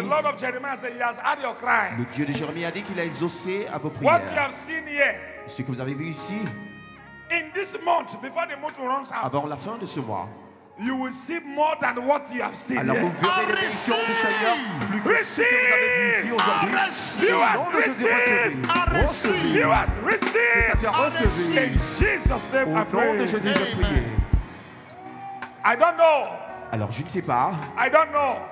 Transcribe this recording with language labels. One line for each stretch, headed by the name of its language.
English: The Lord of Jeremiah said he has heard your cry.
French: Le Dieu de Jérémie a dit qu'il a exaucé à vos prières.
English: What you have seen here?
French: Ce que vous avez vu ici.
English: In this month, before the month runs out.
French: Avant la fin de ce mois.
English: You will see more than what you have seen.
French: Alors vous verrez les bénédictions du Seigneur plus que ce que vous avez vu ici aujourd'hui.
English: You receive. You have received. You have received. In Jesus' name, I pray.
French: Au nom de Jésus, je prie.
English: I don't know.
French: Alors je ne sais pas.
English: I don't know.